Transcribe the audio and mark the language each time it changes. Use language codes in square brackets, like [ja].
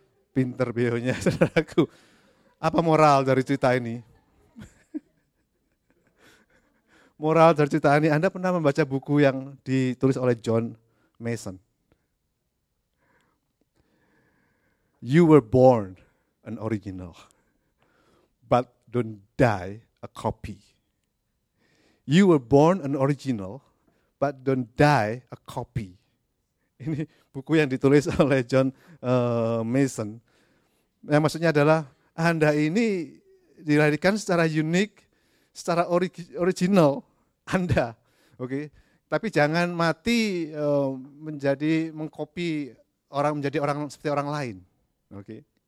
[id] Pinter Bionya, saudaraku. Apa moral dari cerita ini? Moral dari cerita ini, Anda pernah membaca buku yang ditulis oleh John Mason? [en] "You were born an original, but don't die a copy." You were born an original, but don't die a copy. [id] Ini buku yang ditulis oleh John Mason. Yang maksudnya adalah, Anda ini dilahirkan secara unik, secara original, Anda, oke, okay. Tapi jangan mati menjadi mengcopy orang menjadi orang seperti orang lain, oke. Okay.